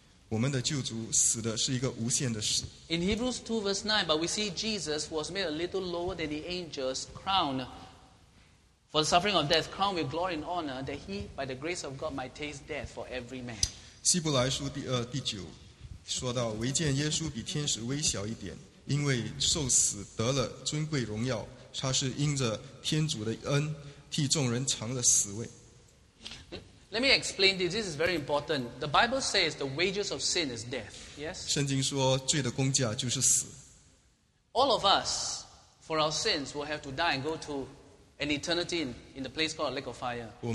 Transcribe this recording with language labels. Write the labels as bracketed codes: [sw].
[en] In Hebrews 2:9, but we see Jesus was made a little lower than the angels, crowned for the suffering of death, crowned with glory and honor, that he, by the grace of God, might taste death for every man. [zh] 希伯来书第2:9说到，唯见耶稣比天使微小一点，因为受死得了尊贵荣耀，他是因着天主的恩，替众人尝了死味。 [en] Let me explain this. This is very important. The Bible says the wages of sin is death. Yes? [zh] 圣经说罪的工价就是死。 [en] All of us, for our sins, will have to die and go to an eternity in the place called a lake of fire.